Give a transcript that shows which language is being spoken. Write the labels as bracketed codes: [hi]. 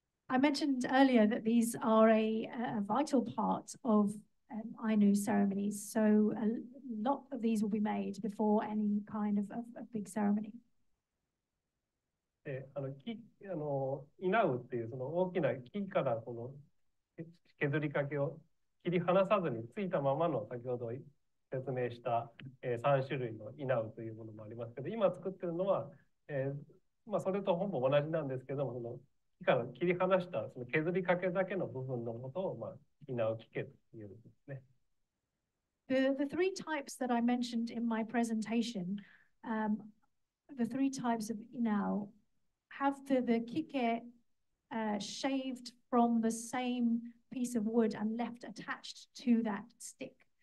[en] I mentioned earlier that these are a vital part of Ainu ceremonies, so a lot of these will be made before any kind of a big ceremony. [ja] あの、木、あの、稲うっていうその大きな木からこの削りかけを切り離さずについたままの先ほど説明した、3種類の稲うというものもありますけど、今作ってるのは、まあ、それとほぼ同じなんですけども、その木から切り離したその削りかけだけの部分のことを、まあ、inawke-makiriというんですね。 [en] The three types that I mentioned in my presentation, the three types of inaw have the kike shaved from the same piece of wood and left attached to that stick.